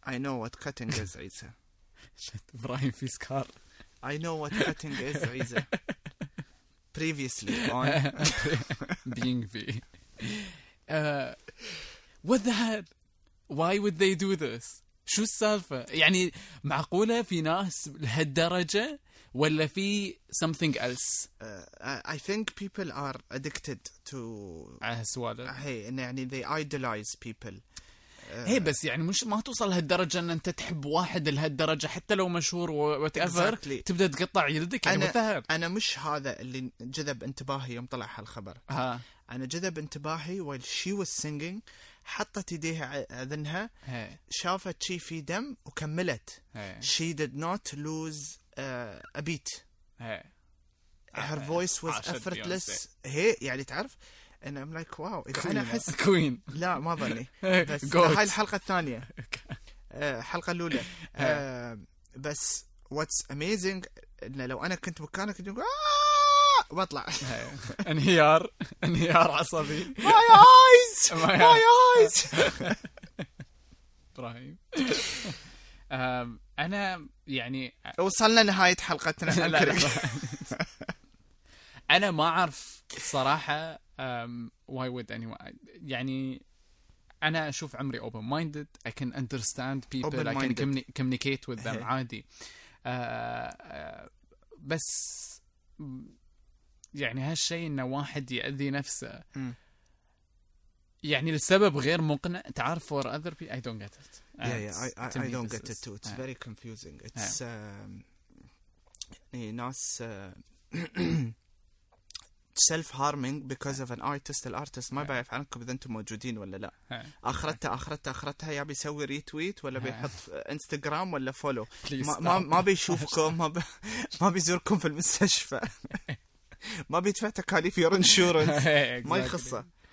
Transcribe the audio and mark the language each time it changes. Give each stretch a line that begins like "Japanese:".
English: I know what cutting is عيسى
Arabic: إبراهيم في سكار
English: I know what cutting is عيسى previously on being V what the hell Why would they do this?
Arabic: شو السالفة؟ يعني معقولة في ناس لهالدرجة ولا في something else؟
English: I think people are addicted to
Arabic: هالسوالف. هي إن يعني they idolize people. هي بس يعني مش ما توصل هالدرجة إن أنت تحب واحد لهالدرجة حتى لو مشهور whatever
English: exactly.
Arabic: تبدأ تقطع يدك. يعني أنا مش هذا اللي جذب انتباهي يوم طلع هالخبر.
English: أنا جذب انتباهي while she was singing. حطت يديها أذنها شافت شي في دم وكملت she did not lose a beat her voice was effortless هي يعني تعرف and I'm like wow
Arabic: queen أنا أحس...
English: queen
Arabic: لا ما ظني بس هاي الحلقة الثانية حلقة الأولى بس what's amazing إن لو أنا كنت مكانك كنت أقول بطلع انهيار انهيار عصبي
English: my eyes my eyes
Arabic: إبراهيم أنا يعني وصلنا نهاية حلقتنا أنا ما أعرف صراحة why would anyone يعني أنا أشوف عمري open minded I can understand people I can communicate with them عادي بس يعني هالشيء إنه واحد يأذي نفسه يعني السبب غير مقنع تعرف for other people I don't get it
English: yeah yeah I don't get it too it's very confusing it's ناس self harming because of an artist.
Arabic: الارتست ما بعرف عنكم اذا انتم موجودين ولا لا. اخرتها يا بيسوي ريتويت ولا بيحط انستغرام ولا فولو. ما بيشوفكم, ما بيزوركم في المستشفى, ما بيدفع تكاليف يور انشورنس, ما يخصه.